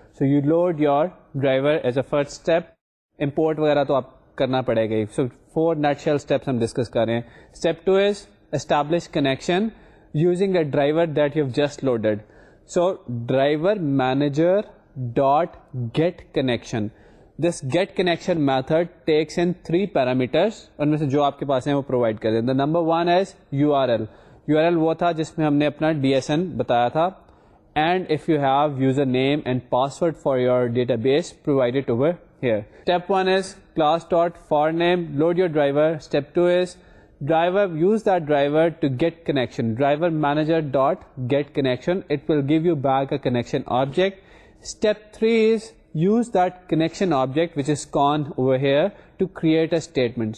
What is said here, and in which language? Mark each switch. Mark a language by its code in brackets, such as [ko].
[en] So you load your driver as a first step. [ur] Import وغیرہ تو آپ کرنا پڑے گا. [en] So 4 nutshell steps [ur] ہم discuss کر رہے ہیں. [en] Step 2 is establish connection using a driver that you've just loaded. So driver manager dot get connection. This get connection method takes in 3 parameters. [ur] ان میں سے جو آپ کے پاس ہیں وہ پرووائڈ کر دیں. [en] The number 1 is URL. [ur] URL وہ تھا جس میں ہم نے اپنا DSN بتایا تھا. [en] And if you have user name and password for your database, provide it over here. Step 1 is class.forName, load your driver. Step 2 is driver, use that driver to get connection. Driver manager dot get connection. It will give you back a connection object. Step 3 is use that connection object, which is con over here, to create a statement.